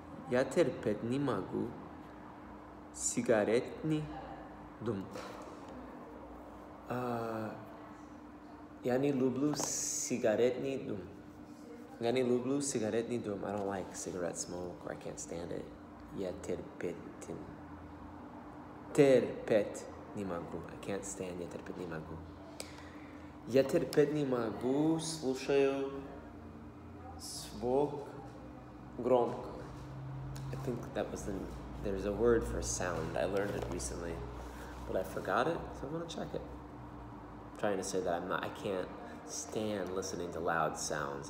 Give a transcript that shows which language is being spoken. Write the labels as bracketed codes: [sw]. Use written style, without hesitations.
[ru] Я терпеть не могу сигаретный дым. Я не люблю сигаретный дым. Я не люблю сигаретный дым. [en] I don't like cigarette smoke, or I can't stand it. [ru] Я терпеть. Терпеть не могу. [en] I can't stand [ru] я терпеть не могу. Я терпеть не могу, слушаю звук громко. [en] I think that was there's a word for sound. I learned it recently, but I forgot it, so I'm gonna check it. I'm trying to say that I can't stand listening to loud sounds.